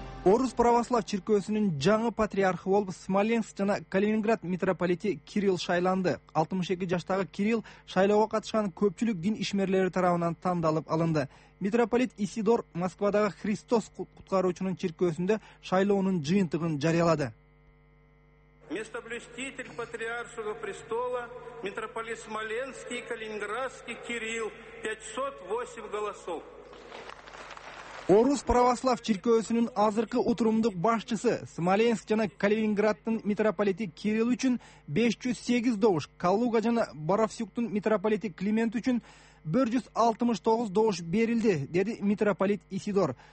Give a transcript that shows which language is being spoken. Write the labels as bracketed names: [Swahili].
[Kyrgyz] Орус православ чиркөөсүнүн жаңы патриархы болуп Смоленск жана Калининград митрополити Кирилл шайланды. 62 жаштагы Кирилл шайлоого катышкан көпчүлүк дин ишмерлери тарабынан тандалып алынды. Митрополит Исидор Москвадагы Христос куткаруучунун чиркөөсүндө шайлоонун жыйынтыгын жарыялады. [Russian] Место блюститель патриаршего престола митрополит Смоленский и Калининградский Кирилл 508 голосов. [Kyrgyz] Орус православ чиркөөсүнүн азыркы утурумдук башчысы Смоленск жана Калининграддын митрополити Кирилл үчүн 508 добуш, Калуга жана Боровсюктун митрополити Климент үчүн 169 добуш берилди, деди митрополит Исидор.